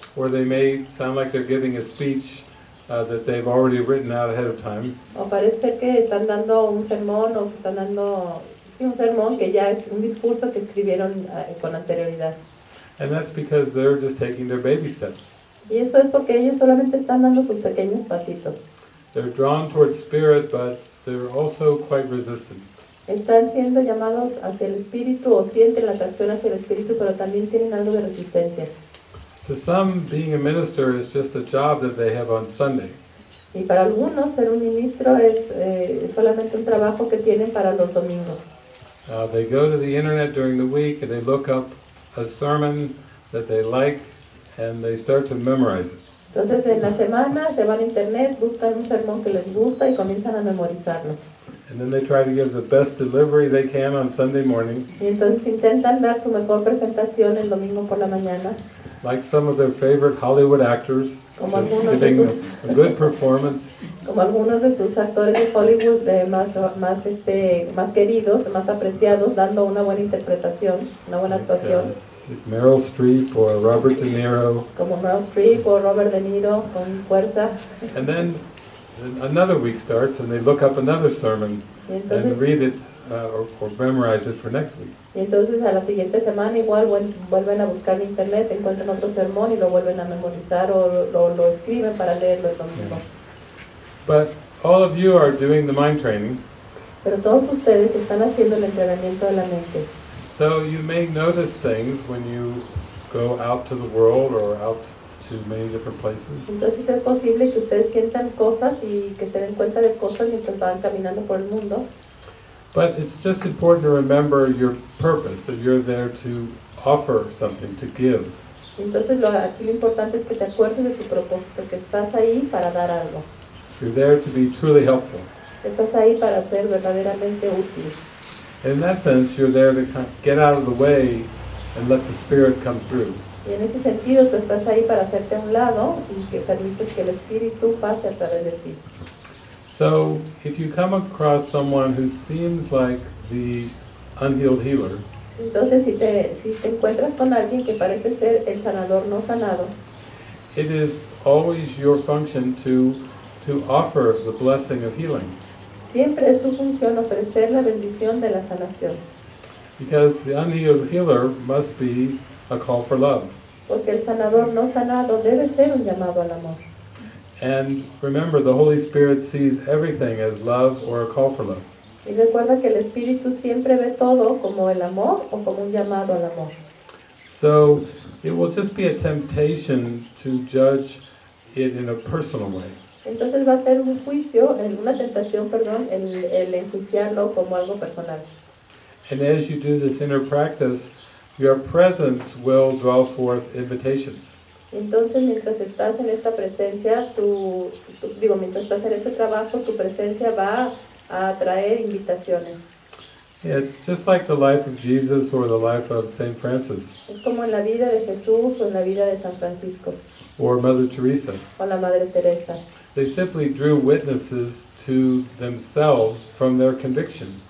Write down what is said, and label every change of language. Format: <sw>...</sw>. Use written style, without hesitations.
<en>Or they may sound like they're giving a speech that they've already written out ahead of time.</en> <es>O parece que están dando un sermón un sermón que ya es un discurso que escribieron con anterioridad.</es> <en>And that's because they're just taking their baby steps.</en> <es>Y eso es porque ellos solamente están dando sus pequeños pasitos.</es> <en>They're drawn towards spirit, but they're also quite resistant.</en> <es>Están siendo llamados hacia el espíritu o sienten la atracción hacia el espíritu, pero también tienen algo de resistencia.</es> <en>To some, being a minister is just a job that they have on Sunday.</en> <es>Y para algunos, ser un ministro es solamente un trabajo que tienen para los domingos.</es> <en>They go to the internet during the week and they look up a sermon that they like and they start to memorize it.</en> <es>Entonces, en la semana, se van a internet, buscan un sermón que les gusta y comienzan a memorizarlo.</es> <en>And then they try to give the best delivery they can on Sunday morning.</en> <es>Y entonces intentan dar su mejor presentación el domingo por la mañana.</es> <en>Like some of their favorite Hollywood actors,</en> <es>como just algunos</es> <en>giving</en> <es>de sus,</es> <en>a good performance.</en> <es>Como algunos de sus actores de Hollywood más queridos, más apreciados, dando una buena interpretación, una buena actuación. Yeah.</es> <en>Meryl Streep or Robert De Niro.</en> <es>Como Meryl Streep o Robert De Niro con fuerza.</es> <en>And then another week starts and they look up another sermon</en> <es>entonces,</es> <en>and read it or memorize it for next week.</en> <es>Y entonces a la siguiente semana igual vuelven a buscar en internet, encuentran otro sermón y lo vuelven a memorizar o lo escriben para leerlo el domingo.</es> <en>Yeah. But all of you are doing the mind training.</en> <es>Pero todos ustedes están haciendo el entrenamiento de la mente.</es> <en>So you may notice things when you go out to the world or out to many different places.</en> <es>Entonces es posible que ustedes sientan cosas y que se den cuenta de cosas mientras van caminando por el mundo.</es> <en>But it's just important to remember your purpose, that you're there to offer something, to give.</en> <es>Entonces aquí lo importante es que te acuerdes de tu propósito, que estás ahí para dar algo.</es> <en>You're there to be truly helpful.</en> <es>Estás ahí para ser verdaderamente útil.</es> <en>In that sense, you're there to kind of get out of the way and let the Spirit come through.</en> <es>Y en ese sentido, tú estás ahí para hacerte a un lado y que permites que el Espíritu pase a través de ti.</es> <en>So, if you come across someone who seems like the unhealed healer,</en> <es>entonces si te encuentras con alguien que parece ser el sanador no sanado,</es> <en>it is always your function to offer the blessing of healing.</en> <es>Siempre es tu función ofrecer la bendición de la sanación.</es> <en>Because the unhealed healer must be a call for love.</en> <es>Porque el sanador no sanado debe ser un llamado al amor.</es> <en>And remember, the Holy Spirit sees everything as love or a call for love.</en> <es>Y recuerda que el Espíritu siempre ve todo como el amor o como un llamado al amor.</es> <en>So it will just be a temptation to judge it in a personal way.</en> <es>Entonces va a ser un juicio, una tentación, perdón, el enjuiciarlo como algo personal.</es> <en>And as you do this inner practice, your presence will draw forth invitations.</en> <es>Entonces mientras estás en esta presencia, mientras estás en este trabajo, tu presencia va a traer invitaciones.</es> <en>Yeah, it's just like the life of Jesus or the life of Saint Francis.</en> <es>Es como en la vida de Jesús o en la vida de San Francisco.</es> <en>Or Mother Teresa.</en> <es>O la Madre Teresa.</es> <en>They simply drew witnesses to themselves from their conviction.</en>